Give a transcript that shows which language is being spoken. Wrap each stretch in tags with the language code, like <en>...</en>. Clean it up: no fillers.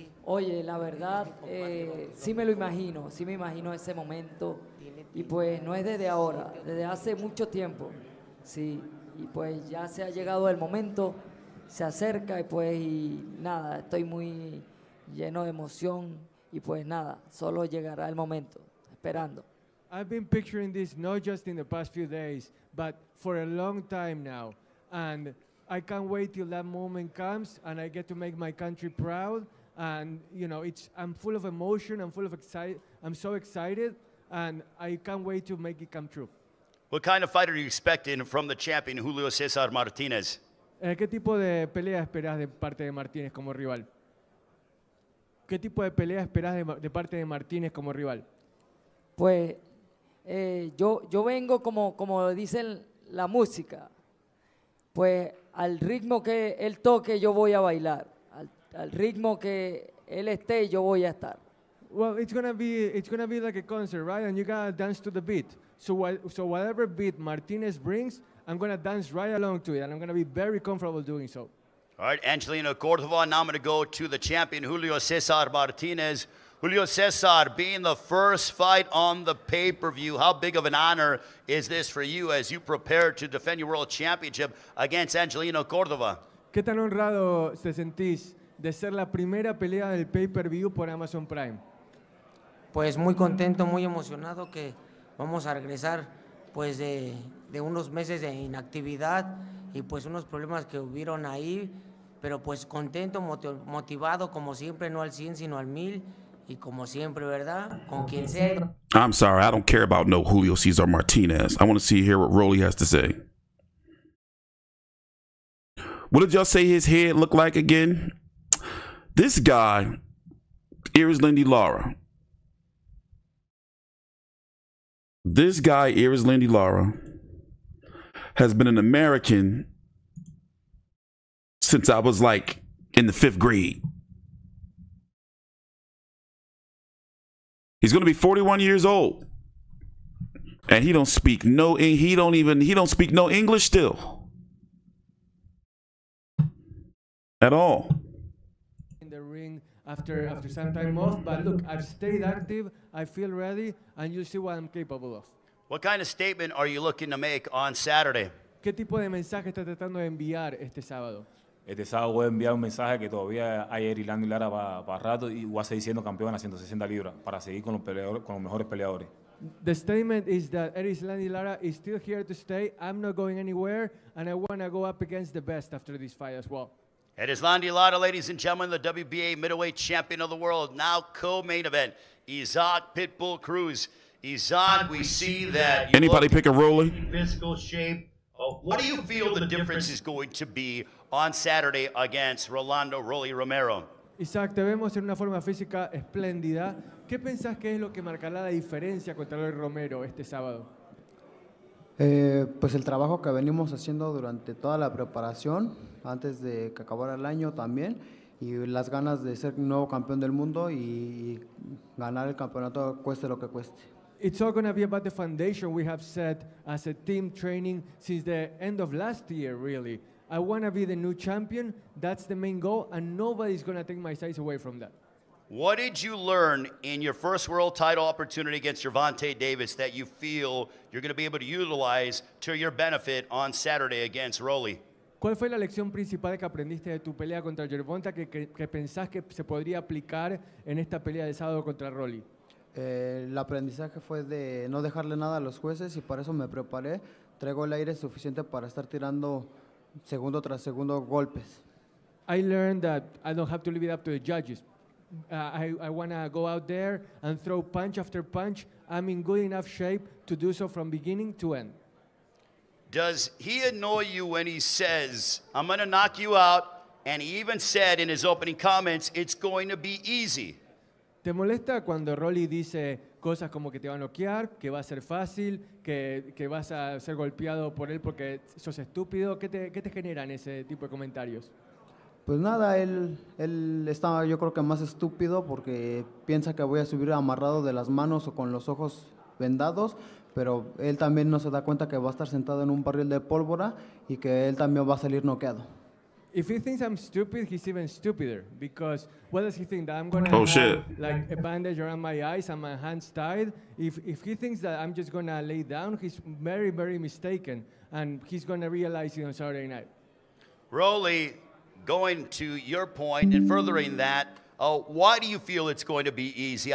<es>Oye, la verdad, sí me imagino ese momento y pues no es desde ahora, desde hace mucho tiempo, sí, y pues ya se ha llegado el momento. Se acerca y pues y nada, estoy muy lleno de emoción y pues nada, solo llegará el momento, esperando.</es> <en>I've been picturing this not just in the past few days, but for a long time now. And I can't wait till that moment comes and I get to make my country proud. And, you know, I'm full of emotion, I'm full of excitement, I'm so excited, and I can't wait to make it come true. What kind of fighter are you expecting from the champion Julio Cesar Martinez?</en> <es>¿Qué tipo de pelea esperas de parte de Martínez como rival? ¿Qué tipo de pelea esperas de parte de Martínez como rival? Pues yo vengo como dicen la música. Pues al ritmo que él toque yo voy a bailar. Al ritmo que él esté yo voy a estar.</es> <en>Well, it's going to be like a concert, right? And you got to dance to the beat. So whatever beat Martínez brings, I'm going to dance right along to it, and I'm going to be very comfortable doing so. All right, Angelino Cordova, now I'm going to go to the champion, Julio Cesar Martinez. Julio Cesar, being the first fight on the pay-per-view, how big of an honor is this for you as you prepare to defend your world championship against Angelino Cordova?</en> <es>¿Qué tan honrado se sentís de ser la primera pelea del pay-per-view por Amazon Prime? Pues muy contento, muy emocionado que vamos a regresar pues de unos meses de inactividad y pues unos problemas que hubieron ahí, pero pues contento, motivado como siempre, no al 100 sino al 1000 y como siempre, ¿verdad? Con quien sea.</es> <en>I'm sorry, I don't care about no Julio Cesar Martinez. I want to see here what Rolly has to say. What did y'all say his head looked like again? This guy, here is Lindy Lara. This guy, here is Lindy Lara, has been an American since I was like in the fifth grade. He's going to be 41 years old. And he don't speak no, he don't speak no English still. At all. In the ring after some time off, but look, I've stayed active, I feel ready, and you'll see what I'm capable of. What kind of statement are you looking to make on Saturday?</en> <es>¿Qué tipo de mensaje está tratando de enviar este sábado? Este sábado voy a enviar un mensaje que todavía hay Erilando y Lara para rato y voy a seguir siendo campeón a 160 libras para seguir con los peleadores, con los mejores peleadores.</es> <en>The statement is that Erilando y Lara is still here to stay. I'm not going anywhere and I want to go up against the best after this fight as well. Erilando y Lara, ladies and gentlemen, the WBA middleweight champion of the world, now co-main event, Isaac Pitbull Cruz. Isaac, we see that you anybody pick a roller? Physical shape. What do you feel the difference is going to be on Saturday against Rolando Rolly Romero?</en> <es>Isaac, te vemos en una forma física espléndida. ¿Qué pensás que es lo que marcará la diferencia contra Rolly Romero este sábado? Pues el trabajo que venimos haciendo durante toda la preparación, antes de que acabara el año también, y las ganas de ser nuevo campeón del mundo y ganar el campeonato cueste lo que cueste.</es> <en>It's all going to be about the foundation we have set as a team training since the end of last year, really. I want to be the new champion. That's the main goal, and nobody's going to take my sights away from that. What did you learn in your first world title opportunity against Gervonta Davis that you feel you're going to be able to utilize to your benefit on Saturday against Rolly?</en> <es>¿Cuál fue la lección principal que aprendiste de tu pelea contra Gervonta que pensás que se podría aplicar en esta pelea de sábado contra Rolly? El aprendizaje fue de no dejarle nada a los jueces y para eso me preparé. Traigo el aire suficiente para estar tirando segundo tras segundo golpes.</es> <en>I learned that I don't have to leave it up to the judges. I want to go out there and throw punch after punch. I'm in good enough shape to do so from beginning to end. Does he annoy you when he says, I'm going to knock you out, and he even said in his opening comments, it's going to be easy?</en> <es>¿Te molesta cuando Rolly dice cosas como que te va a noquear, que va a ser fácil, que vas a ser golpeado por él porque sos estúpido? ¿Qué te generan ese tipo de comentarios? Pues nada, él está yo creo que más estúpido porque piensa que voy a subir amarrado de las manos o con los ojos vendados, pero él también no se da cuenta que va a estar sentado en un barril de pólvora y que él también va a salir noqueado.</es> <en>If he thinks I'm stupid, he's even stupider because what does he think, that I'm going to have like a bandage around my eyes and my hands tied? If he thinks that I'm just going to lay down, he's very, very mistaken, and he's going to realize it on Saturday night. Rolly, going to your point and furthering that, why do you feel it's going to be easy?</en>